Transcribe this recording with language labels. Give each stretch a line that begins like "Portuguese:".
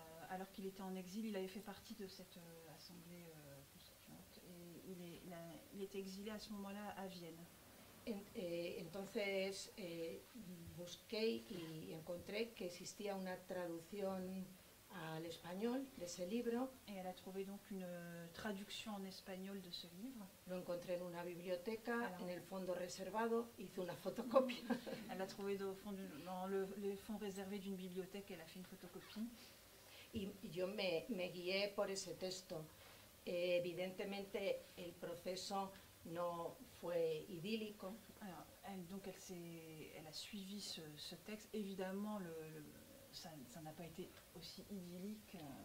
French: Alors qu'il était en exil, il avait fait partie de cette assemblée constituante. Et il était exilé à ce moment-là à Vienne.
Spanish: Entonces busqué y encontré que existía una traducción al español de ese libro.
French: Et elle a trouvé donc une traduction en espagnol de ce livre.
Spanish: Lo encontré en una biblioteca, en el fondo reservado, hice una fotocopia.
French: Elle a trouvé dans le fond réservé d'une bibliothèque, elle a fait une photocopie.
Spanish: Y yo me guié por ese texto. Evidentemente el proceso no fue idílico.
French: Elle a suivi ce texte. Évidemment, ça n'a pas été aussi idyllique.